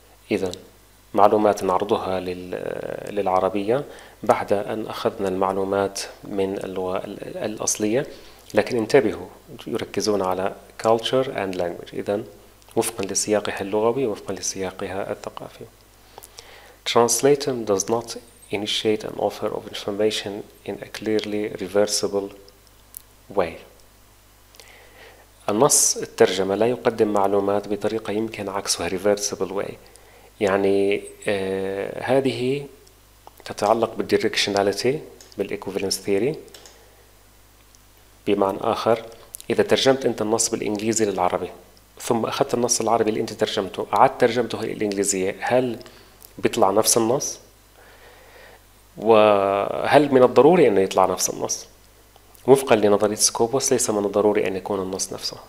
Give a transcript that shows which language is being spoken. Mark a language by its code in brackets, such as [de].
[ar] إذا معلومات نعرضها للعربية بعد أن أخذنا المعلومات من اللغة الأصلية، لكن انتبهوا يركزون على [en] culture and language، [ar] إذا وفقا لسياقها اللغوي وفقا لسياقها الثقافي. [en] Translatum does not initiate an offer of information in a clearly reversible way. [ar] النص الترجمة لا يقدم معلومات بطريقة يمكن عكسها، [en] reversible way، [ar] يعني هذه تتعلق بالdirectionality، بالequivalence theory. بمعنى آخر، إذا ترجمت أنت النص بالإنجليزي للعربي ثم أخذت النص العربي اللي أنت ترجمته أعدت ترجمته للإنجليزية، هل بيطلع نفس النص؟ وهل من الضروري أنه يطلع نفس النص؟ وفقا لنظرية سكوبوس، ليس من الضروري أن يكون النص نفسه.